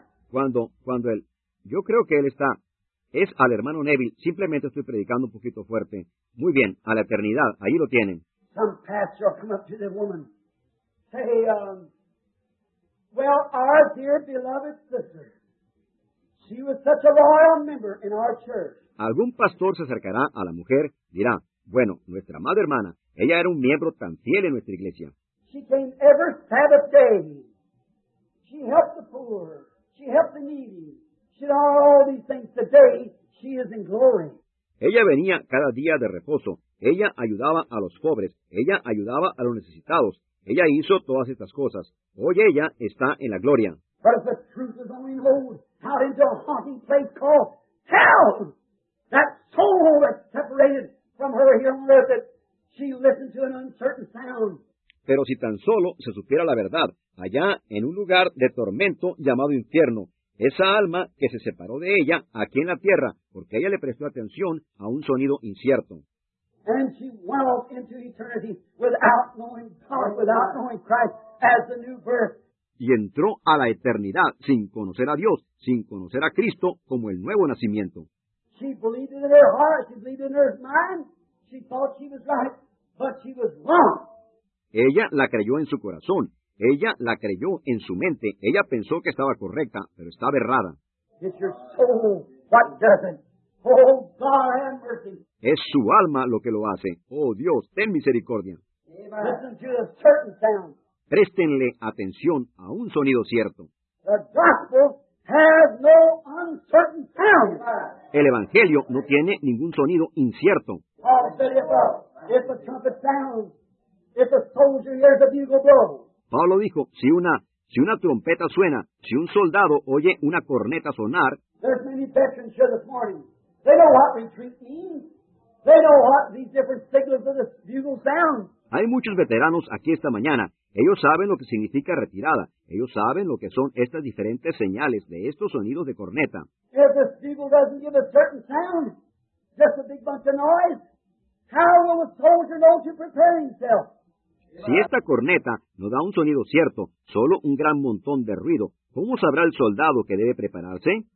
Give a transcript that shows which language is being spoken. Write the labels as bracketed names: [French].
[Spanish] Cuando él, yo creo que él está, es al hermano Neville, simplemente estoy predicando un poquito fuerte. Muy bien, a la eternidad, ahí lo tienen. [English] Some pastor come up to the woman, say, "Well, our dear beloved sister, she was such a loyal member in our church." [Spanish] Algún pastor se acercará a la mujer, dirá, "Bueno, nuestra madre hermana, ella era un miembro tan fiel en nuestra iglesia." [English] She came every Sabbath day. She helped the poor. She helped the needy. She did all these things. Today, she is in glory. [Spanish] Ella venía cada día de reposo. Ella ayudaba a los pobres. Ella ayudaba a los necesitados. Ella hizo todas estas cosas. Hoy ella está en la gloria. [English] But if the truth is only rolled out into a haunting place called hell, that soul that's separated from her here on earth, that she listened to an uncertain sound. [Spanish] Pero si tan solo se supiera la verdad, allá en un lugar de tormento llamado infierno, esa alma que se separó de ella aquí en la tierra, porque ella le prestó atención a un sonido incierto. [English] And she went into eternity without knowing God, without knowing Christ as the new birth. [Spanish] Y entró a la eternidad sin conocer a Dios, sin conocer a Cristo como el nuevo nacimiento. [English] She believed in her heart, she believed in her mind. She thought she was right, but she was wrong. [Spanish] Ella la creyó en su corazón. Ella la creyó en su mente. Ella pensó que estaba correcta, pero estaba errada. [English] It's your soul what does it. Oh, God, have mercy. [Spanish] Es su alma lo que lo hace. Oh, Dios, ten misericordia. [English] Listen to a certain sound. [Spanish] Préstenle atención a un sonido cierto. [English] The gospel has no uncertain sound. [Spanish] El Evangelio no tiene ningún sonido incierto. [English] Paul said it well. It's a trumpet sound. If a soldier hears a bugle blow. [Spanish] Pablo dijo, si una trompeta suena, si un soldado oye una corneta sonar. [English] There's many veterans here this morning. They know what retreat means. They know what these different signals of the bugle sound. [Spanish] Hay muchos veteranos aquí esta mañana. Ellos saben lo que significa retirada. Ellos saben lo que son estas diferentes señales de estos sonidos de corneta. [English] If this bugle doesn't give a certain sound, just a big bunch of noise, how will a soldier know to prepare himself? [Spanish] Si esta corneta no da un sonido cierto, solo un gran montón de ruido, ¿cómo sabrá el soldado que debe prepararse?